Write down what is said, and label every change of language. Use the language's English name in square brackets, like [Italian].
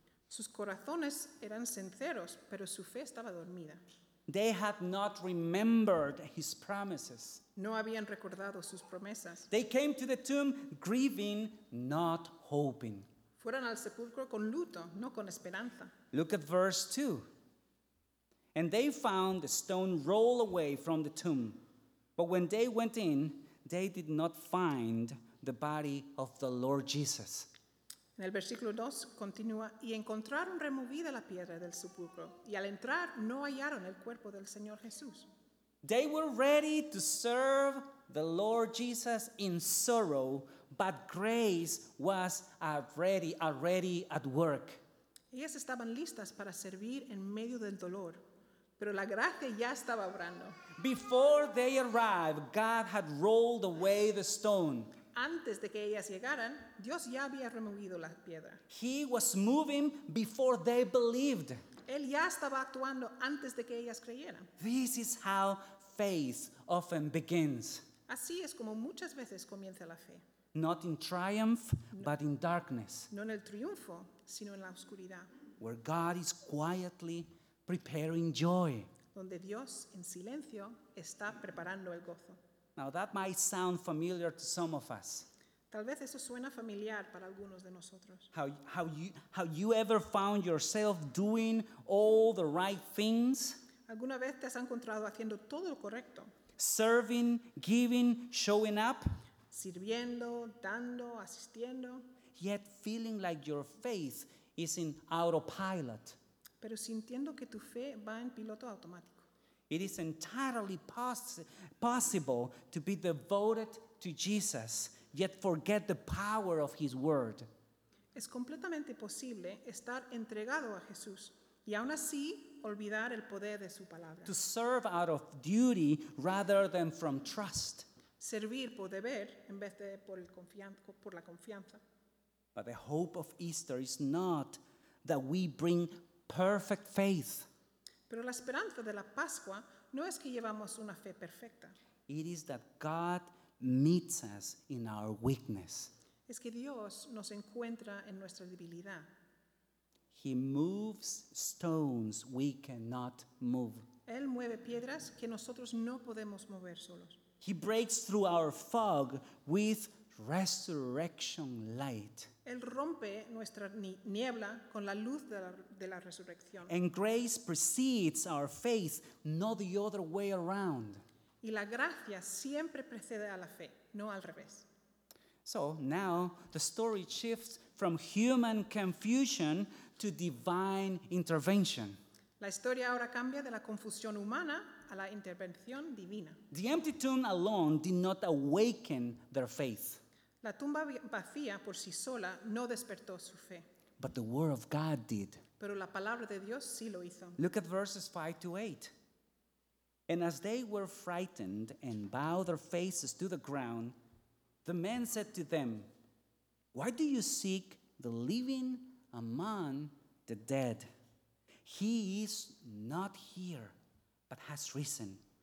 [Spanish] Sus corazones eran sinceros, pero su fe estaba dormida. [English] They had not remembered his promises. [Spanish] No habían recordado sus promesas. [English] They came to the tomb grieving, not hoping. [Spanish] Fueron al sepulcro con luto, no con esperanza. [English] Look at verse 2. And they found the stone rolled away from the tomb. But when they went in, they did not find the body of the Lord Jesus. [Spanish] En el versículo 2 continúa, y encontraron removida la piedra del sepulcro, y al entrar no hallaron el cuerpo del Señor Jesús. [English] They were ready to serve the Lord Jesus in sorrow, but grace was already at work. [Spanish] Ellas estaban listas para servir en medio del dolor, pero la gracia ya estaba obrando. [English] Before they arrived, God had rolled away the stone. [Spanish] Antes de que ellas llegaran, Dios ya había removido la piedra. [English] He was moving before they believed. [Spanish] Él ya estaba actuando antes de que ellas creyeran. [English] This is how faith often begins. [Spanish] Así es como muchas veces comienza la fe. [English] Not in triumph, but in darkness. [Spanish] No en el triunfo, sino en la oscuridad. [English] Where God is quietly preparing joy. [Spanish] Donde Dios en silencio está preparando el gozo. [English] Now that might sound familiar to some of us. [Spanish] Tal vez eso suena familiar para algunos de nosotros. [English] How you ever found yourself doing all the right things? [Spanish] ¿Alguna vez te has encontrado haciendo todo lo correcto? [English] Serving, giving, showing up. [Spanish] Sirviendo, dando, asistiendo. [English] Yet feeling like your faith is in autopilot. [Spanish] Pero sintiendo que tu fe va en piloto automático. [English] It is entirely possible to be devoted to Jesus, yet forget the power of his word. [Spanish] Es completamente posible estar entregado a Jesús y aún así olvidar el poder de su palabra. [English] To serve out of duty rather than from trust. [Spanish] Servir por deber en vez de por la confianza. [English] But the hope of Easter is not that we bring perfect faith. [Spanish] Pero la esperanza de la Pascua no es que llevamos una fe perfecta. [English] It is that God meets us in our weakness. [Spanish] Es que Dios nos encuentra en nuestra debilidad. [English] He moves stones we cannot move. [Spanish] Él mueve piedras que nosotros no podemos mover solos. [English] He breaks through our fog with resurrection light. [Spanish] Él rompe nuestra niebla con la luz de la resurrección. [English] And grace precedes our faith, not the other way around. [Spanish] Y la gracia siempre precede a la fe, no al revés. [English] So now the story shifts from human confusion to divine intervention. [Spanish] La historia ahora cambia de la confusión humana a la intervención divina. [English] The empty tomb alone did not awaken their faith. [Spanish] La tumba vacía por sí sola no despertó su fe. [English] But the word of God did. [Spanish] Pero la palabra de Dios sí lo hizo. [English] Look at verses 5-8. And as they were frightened and bowed their faces to the ground, the men said to them, "Why do you seek the living among the dead? He is not here, but has risen.